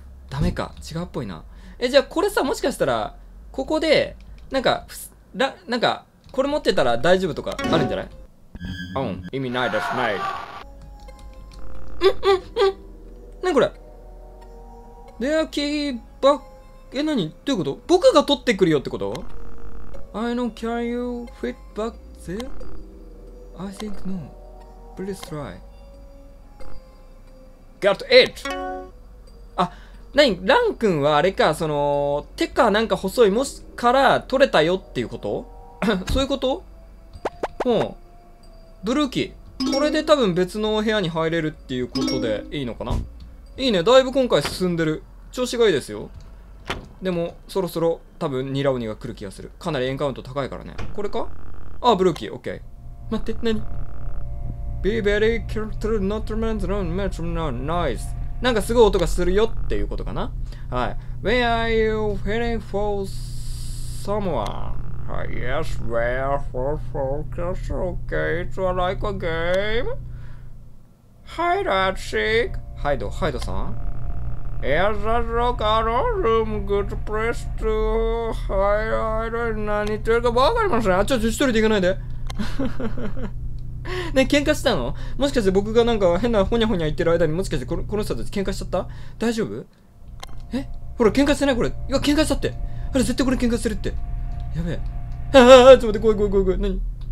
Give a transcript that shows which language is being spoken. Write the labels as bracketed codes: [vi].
[ja] ダメか、違うっぽいな。じゃあこれさ、もしかしたらここでなんかなんかこれ持ってたら大丈夫とかあるんじゃない？うん、意味ないですね。何これ？レアキーバッ、何？どういうこと？僕が取ってくるよってこと？ [en] I know, can you fit back there? I think no. Please try. Got it! [ja] あ、何？ラン君はあれか、その、手かなんか細い、もしから取れたよっていうこと？そういうこと？ほう。ブルーキー。これで多分別の部屋に入れるっていうことでいいのかな？いいね、だいぶ今回進んでる。調子がいいですよ。でも、そろそろ、多分、ニラ鬼が来る気がする。かなりエンカウント高いからね。これか？あ、ブルーキー、オッケー。待って、なに？ [en] Be very careful not to mention the name of the noise. [ja] なんかすごい音がするよっていうことかな？はい。 [en] When are you feeling for someone? Yes, well, focus, okay, it's like a game. Hi, Ratsik. Hide, hide, son. Yes, I look at a room, good place to hide. I don't know what to do. [ja] わかりません。ちょっと一人で行かないで。ね、喧嘩したの？もしかして僕がなんか変なホニャホニャ言ってる間にもしかしてこの人たち喧嘩しちゃった？大丈夫？え？ほら、喧嘩してないこれ。いや、喧嘩したって。ほら、絶対これ喧嘩するって。やべえ。ああ、ちょっと待って、怖い。何？